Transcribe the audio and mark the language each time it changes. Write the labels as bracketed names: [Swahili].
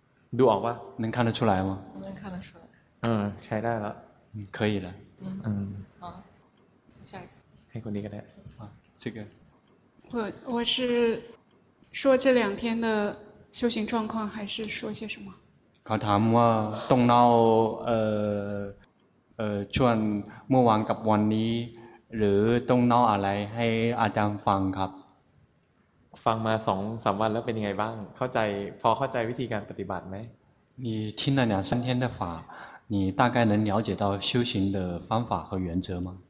[Thai] ดูออกป่ะ [Chinese] 能看得出来吗能看得出来 [Thai] 嗯ใช้ได้แล้ว [Chinese] 可以了嗯好下一个 [Thai] ให้คนนี้ก็ได้ [Chinese] 啊这个我是说这两天的修行状况还是说些什么 [Thai] เขาถามว่าตรงเราช่วงเมื่อวานกับวันนี้หรือต้องเล่าอะไรให้อาจารย์ฟังครับ ฟังมาสองสามวันแล้วเป็นยังไงบ้างเข้าใจพอเข้าใจวิธีการปฏิบัติไหม [Chinese] 你听了两三天的法你大概能了解到修行的方法和原则吗